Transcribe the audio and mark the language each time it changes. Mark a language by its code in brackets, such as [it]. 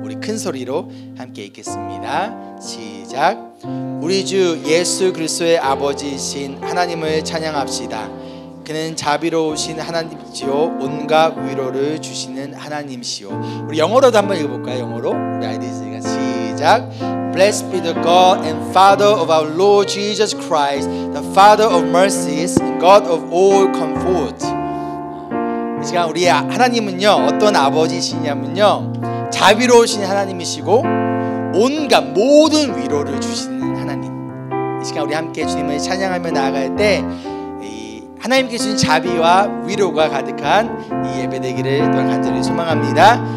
[ko] 우리 큰 소리로 함께 읽겠습니다. 시작. 우리 주 예수 그리스도의 아버지이신 하나님을 찬양합시다. 그는 자비로우신 하나님이시오 온갖 위로를 주시는 하나님이시오. 우리 영어로도 한번 읽어볼까요? 영어로 우리 아이디스가 시작. [en] Blessed be the God and Father of our Lord Jesus Christ, the Father of mercies and God of all comfort. [ko] 지금 우리 하나님은요 어떤 아버지시냐면요 자비로우신 하나님이시고 온갖 모든 위로를 주시는 하나님. 이 시간 우리 함께 주님을 찬양하며 나아갈 때 이 하나님께서 주신 자비와 위로가 가득한 이 예배 되기를 또 간절히 소망합니다.